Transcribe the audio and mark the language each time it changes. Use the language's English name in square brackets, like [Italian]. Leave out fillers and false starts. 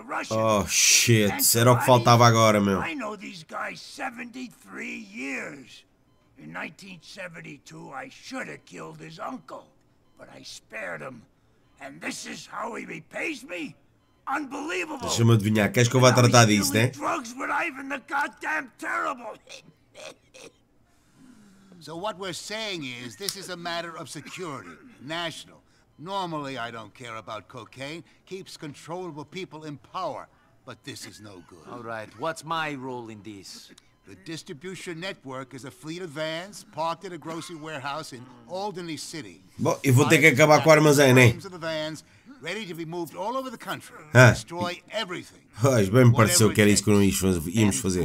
[Portuguese] Oh, shit, era o que faltava agora, meu. [English] I know these guys 73 years. In 1972, I should have killed his uncle, but I spared him. And this is how he repays me? Unbelievable. [Portuguese] Deixa-me adivinhar, queres que eu vá tratar disso, né? [English] Drugs with Ivan the goddamn terrible. So what we're saying is, this is a matter of security, national. Normally I don't care about cocaine, keeps controllable people in power, but this is no good. All right, what's my role in this? The distribution network is a fleet of vans parked at a grocery warehouse in Alderney City. [Portuguese] Bom, eu vou ter que acabar com o armazém, né? [English] Of the vans, ready to be moved all over the country, destroy everything. [Portuguese] Ah, bem me pareceu que era isso que nós íamos fazer.